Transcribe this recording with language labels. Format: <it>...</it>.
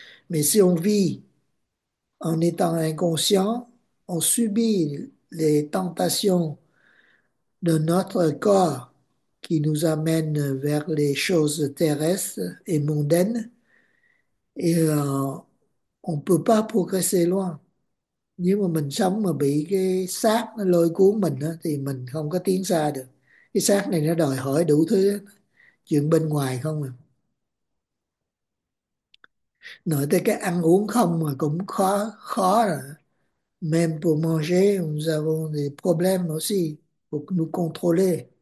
<fr>Mais si on vit en étant inconscient, on subit les tentations de notre corps, qui nous amène vers les choses terrestres et mondaines, et on ne peut pas progresser loin.</fr> <vi>Nếu mà mình sống mà bị cái xác nó lôi cuốn mình á, thì mình không có tiến xa được. Cái xác này nó đòi hỏi đủ thứ, chuyện bên ngoài không à. Nói tới cái ăn uống không mà cũng khó khó rồi.</vi> <fr>Même pour manger, nous avons des problèmes aussi, pour nous contrôler.</fr>